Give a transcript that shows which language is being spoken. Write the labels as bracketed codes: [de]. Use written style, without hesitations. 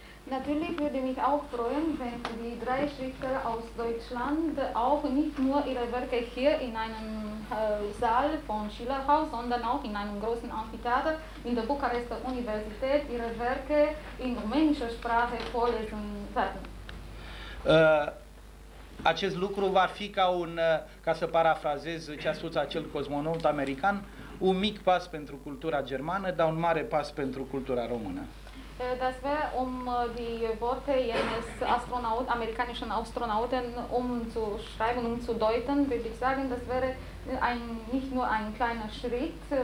[de] Natürlich würde mich auch freuen, wenn die drei Schriftsteller aus Deutschland auch nicht nur ihre Werke hier in einem Saal von Schillerhaus, sondern auch in einem großen Amphitheater in der Bukarester Universität ihre Werke in rumänischer Sprache vorlesen werden. [ro] Acest lucru va fi ca un, ca să parafrazez ce a spus acel cosmonaut american, un mic pas pentru cultura germană, dar un mare pas pentru cultura română. [de] Das wäre, um die Worte jenes Astronauten, amerikanischen Astronauten umzuschreiben, umzudeuten, würde ich sagen, das wäre ein, nicht nur ein kleiner Schritt